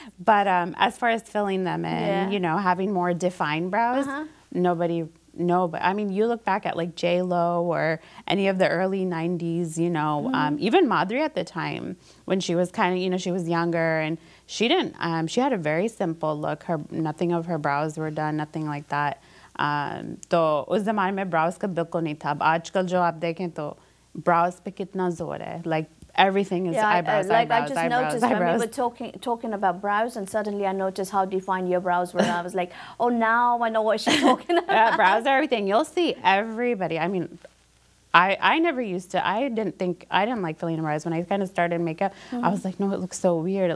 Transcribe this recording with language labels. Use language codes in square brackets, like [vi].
[en] But as far as filling them in, you know, having more defined brows, I mean, you look back at, like, J-Lo or any of the early 90s, you know, even Madhuri at the time when she was kind of, you know, she was younger and she didn't, she had a very simple look. Nothing of her brows were done, nothing like that. [ur] So، اس زمانے میں brows کا بلکل نہیں تھا۔ آج کل جو آپ دیکھیں تو brows پہ کتنا زور ہے۔ [en] Like, everything is eyebrows, like eyebrows, I just eyebrows, noticed eyebrows. When we were talking about brows and suddenly I noticed how defined your brows were. And I was like, oh, now I know what she's talking about. Yeah, brows are everything. You'll see everybody. I mean, I never used to. I didn't like filling in brows. When I kind of started makeup, I was like, no, it looks so weird.